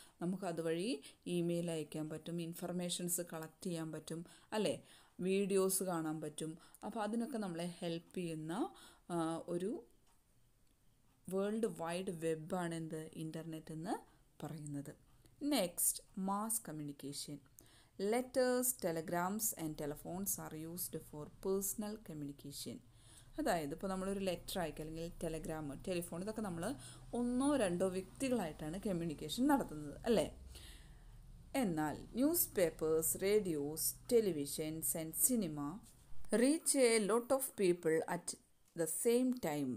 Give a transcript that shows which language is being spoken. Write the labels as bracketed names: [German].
[Malayalam] നമുക്ക് അതുവഴി ഇമെയിൽ അയക്കാൻ പറ്റും, ഇൻഫർമേഷൻസ് കളക്ട് ചെയ്യാൻ പറ്റും അല്ലേ, വീഡിയോസ് കാണാൻ പറ്റും. അപ്പോൾ അതിനൊക്കെ നമ്മളെ ഹെൽപ്പ് ചെയ്യുന്ന ഒരു വേൾഡ് വൈഡ് വെബാണ് എന്ത്? ഇൻ്റർനെറ്റ് എന്ന് പറയുന്നത്. [English] Next, mass communication. Letters, telegrams and telephones are used for personal communication. [Malayalam] അതായത് ഇപ്പോൾ നമ്മളൊരു ലെറ്റർ അയക്കുക അല്ലെങ്കിൽ ടെലഗ്രാം, ടെലിഫോൺ, ഇതൊക്കെ നമ്മൾ ഒന്നോ രണ്ടോ വ്യക്തികളായിട്ടാണ് കമ്മ്യൂണിക്കേഷൻ നടത്തുന്നത് അല്ലേ. [English] എന്നാൽ news papers, radios, televisions and cinema reach a lot of people at the same time.